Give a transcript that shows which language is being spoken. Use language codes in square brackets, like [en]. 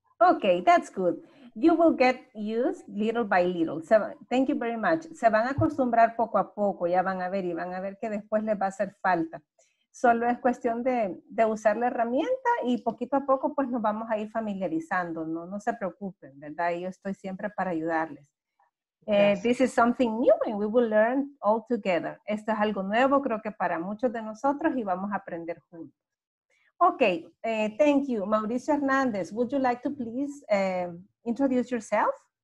[en] Okay, that's good. You will get used little by little. So, thank you very much. [es] Se van a acostumbrar poco a poco, ya van a ver y van a ver que después les va a hacer falta. Solo es cuestión de usar la herramienta y poquito a poco pues nos vamos a ir familiarizando, ¿no? No se preocupen, ¿verdad? Yo estoy siempre para ayudarles. [en] This is something new and we will learn all together. [es] Esto es algo nuevo, creo que para muchos de nosotros y vamos a aprender juntos. [en] Ok, thank you. Mauricio Hernández, would you like to please introduce yourself?